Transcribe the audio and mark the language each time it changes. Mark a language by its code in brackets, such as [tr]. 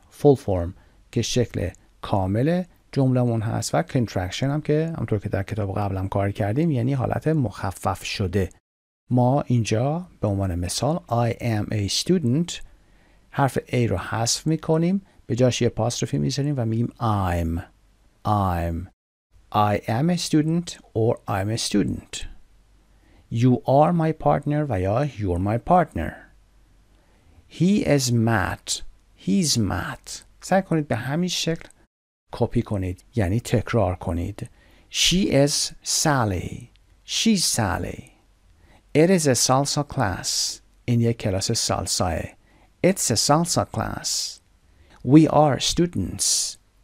[fa] full form که شکل کامل جملمون هست و contraction هم که همونطور که در کتاب قبلم کار کردیم یعنی حالت مخفف شده. ما اینجا به عنوان مثال I am a student، حرف A رو حذف میکنیم، به جاش یه apostrophe میزنیم و میگیم I'm. [en] I am a student or I'm a student. You are my partner و یا you're my partner. He is Matt. He's Matt. [fa] سعی کنید به همین شکل کپی کنید، یعنی تکرار کنید. [en] She is Sally. She's Sally. It is a salsa class. این یک کلاس سالساه. It's a salsa class. We are students.